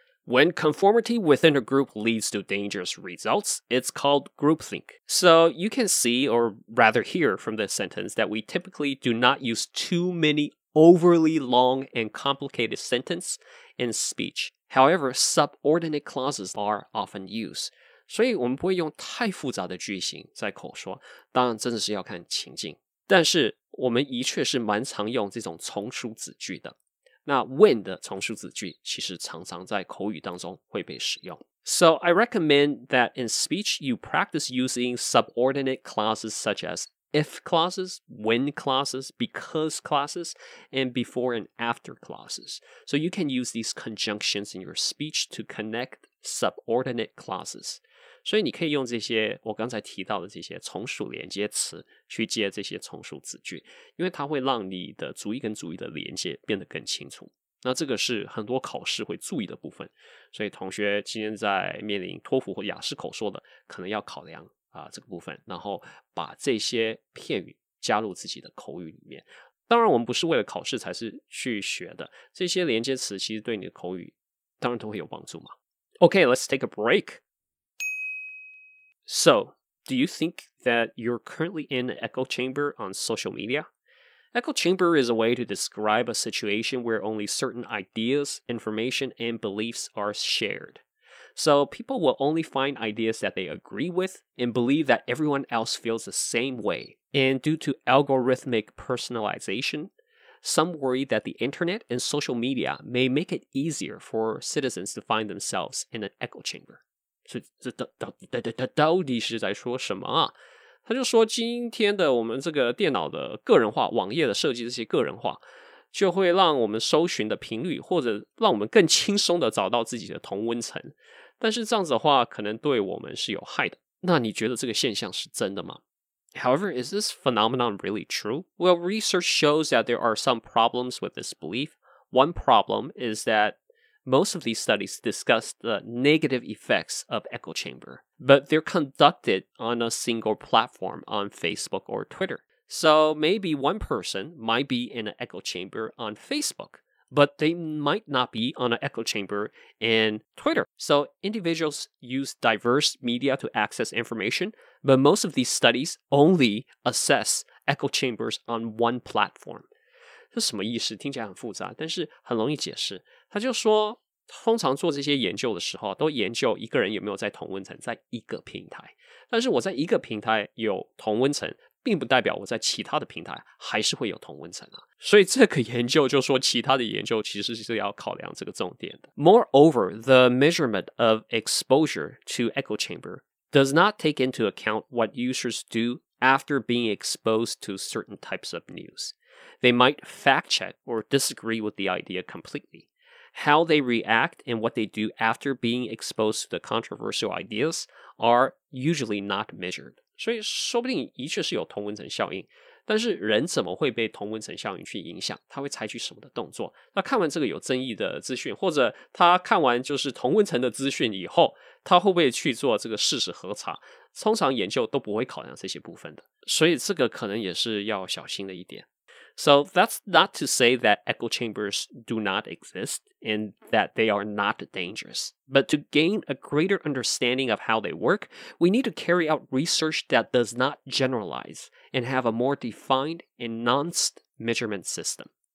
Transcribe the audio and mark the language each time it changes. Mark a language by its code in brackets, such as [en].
[en] When conformity within a group leads to dangerous results, it's called groupthink. So you can see, or rather hear from this sentence, that we typically do not use too many overly long and complicated sentences in speech. However, subordinate clauses are often used. [zh] 所以我们不会用太复杂的句型在口说，当然真的是要看情境。但是我们的确是蛮常用这种从属子句的。那 when 的从属子句其实常常在口语当中会被使用。 [en] So I recommend that in speech you practice using subordinate clauses such as if clauses, when clauses, because clauses, and before and after clauses. So you can use these conjunctions in your speech to connect subordinate clauses. [zh] 所以你可以用这些我刚才提到的这些从属连接词去接这些从属子句，因为它会让你的主语跟主语的连接变得更清楚。那这个是很多考试会注意的部分，所以同学今天在面临托福或雅思口说的，可能要考量这个部分，然后把这些片语加入自己的口语里面。当然我们不是为了考试才是去学的，这些连接词其实对你的口语当然都会有帮助嘛。 [en] OK, let's take a break. So, do you think that you're currently in an echo chamber on social media? Echo chamber is a way to describe a situation where only certain ideas, information, and beliefs are shared. So, people will only find ideas that they agree with and believe that everyone else feels the same way. And due to algorithmic personalization, some worry that the internet and social media may make it easier for citizens to find themselves in an echo chamber. [zh] 所以这到底是在说什么啊？他就说今天的我们这个电脑的个人化，网页的设计，这些个人化就会让我们搜寻的频率，或者让我们更轻松的找到自己的同温层，但是这样子的话可能对我们是有害的。那你觉得这个现象是真的吗？ [en] However, is this phenomenon really true? Well, research shows that there are some problems with this belief. One problem is that most of these studies discuss the negative effects of echo chamber, but they're conducted on a single platform on Facebook or Twitter. So maybe one person might be in an echo chamber on Facebook, but they might not be on an echo chamber in Twitter. So individuals use diverse media to access information,But most of these studies only assess echo chambers on one platform. [zh] 这什么意思？听起来很复杂，但是很容易解释。他就说，通常做这些研究的时候，都研究一个人有没有在同温层，在一个平台。但是我在一个平台有同温层，并不代表我在其他的平台还是会有同温层啊。所以这个研究就说，其他的研究其实是要考量这个重点的。 [en] Moreover, the measurement of exposure to echo chamberdoes not take into account what users do after being exposed to certain types of news. They might fact-check or disagree with the idea completely. How they react and what they do after being exposed to the controversial ideas are usually not measured. [zh] 所以说不定的确是有同温层效应，但是人怎么会被同温层效应去影响？他会采取什么的动作？那看完这个有争议的资讯，或者他看完就是同温层的资讯以后，他会不会去做这个事实核查？通常研究都不会考量这些部分的，所以这个可能也是要小心的一点。 [en] So that's not to say that echo chambers do not exist and that they are not dangerous. But to gain a greater understanding of how they work, we need to carry out research that does not generalize and have a more defined and nuanced measurement system.